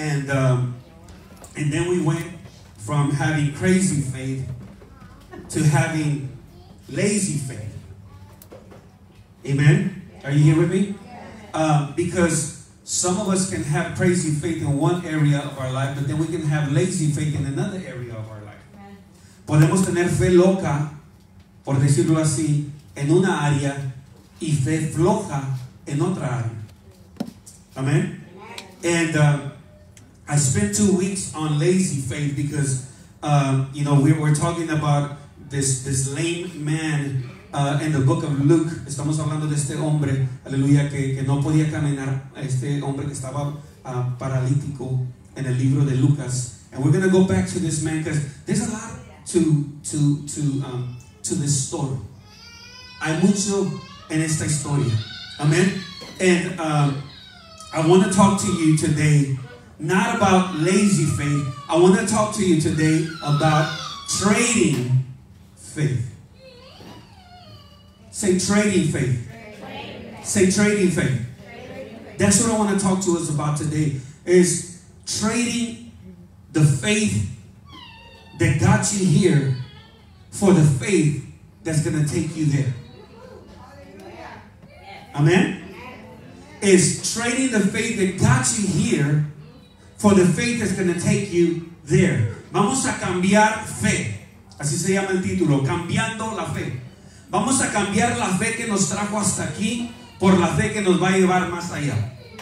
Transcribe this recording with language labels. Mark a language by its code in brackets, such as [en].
[en] And then we went from having crazy faith to having lazy faith. Amen. Are you here with me? Because some of us can have crazy faith in one area of our life, but then we can have lazy faith in another area of our life. [es] Podemos tener fe loca, por decirlo así, en una área, y fe floja en otra área. [en] Amen. And I spent 2 weeks on lazy faith because, you know, we were talking about this lame man in the book of Luke. [es] Estamos hablando de este hombre, aleluya, que no podía caminar, este hombre que estaba paralítico en el libro de Lucas. [en] And we're going to go back to this man because there's a lot to this story. [es] Hay mucho en esta historia. [en] Amen. And I want to talk to you today not about lazy faith. I want to talk to you today about trading faith. Say trading faith. Trading. Say trading faith. Trading. That's what I want to talk to us about today, is trading the faith that got you here for the faith that's going to take you there. Amen? Is trading the faith that got you here for the faith that's going to take you there. [es] Vamos a cambiar fe. Así se llama el título, cambiando la fe. Vamos a cambiar la fe que nos trajo hasta aquí por la fe que nos va a llevar más allá.